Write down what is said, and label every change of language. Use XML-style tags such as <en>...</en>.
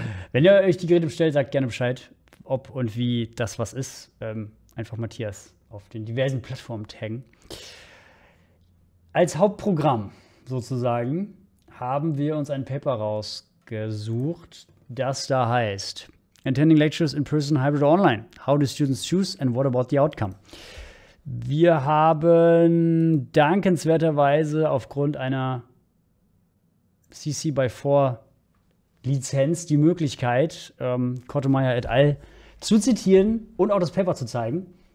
<de>Wenn ihr euch die Geräte bestellt, sagt gerne Bescheid, ob und wie das was ist. Einfach Matthias auf den diversen Plattformen taggen. Als Hauptprogramm sozusagen haben wir uns ein Paper rausgesucht, das da heißt: Attending Lectures in Person, Hybrid Online.</de> <en>How do students choose and what about the outcome?</en> <de>Wir haben dankenswerterweise aufgrund einer CC by 4 Lizenz die Möglichkeit, Kottemeier et al. Zu zitieren und auch das Paper zu zeigen.</de>